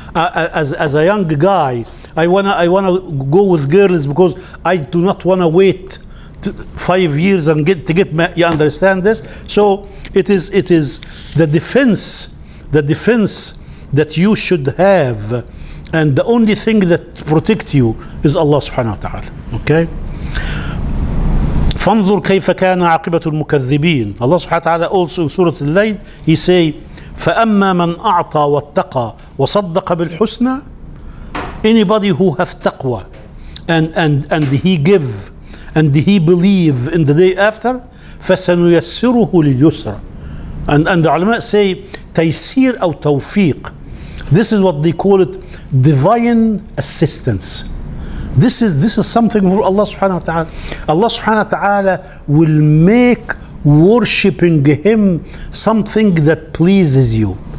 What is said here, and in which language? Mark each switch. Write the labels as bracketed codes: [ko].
[en] As a young guy, I wanna go with girls because I do not want to wait 5 years and get my, you understand this? So it is the defense that you should have, and the only thing that protects you is Allah subhanahu wa ta'ala. Okay? [ar] فانظر كيف كان عاقبة المكذبين. [en] Allah subhanahu wa ta'ala also in Surah Al-Layl, he say, [ar] فأما من أعطى واتقى وصدق بالحسنى. [en] Anybody who have taqwa and he give and he believe in the day after, [ar] فسنيسره لليسر. [en] And the ulama say [ar] تيسير أو توفيق. [en] This is what they call it, divine assistance. This is something for Allah subhanahu wa ta'ala. Allah subhanahu wa ta'ala will make worshipping him something that pleases you.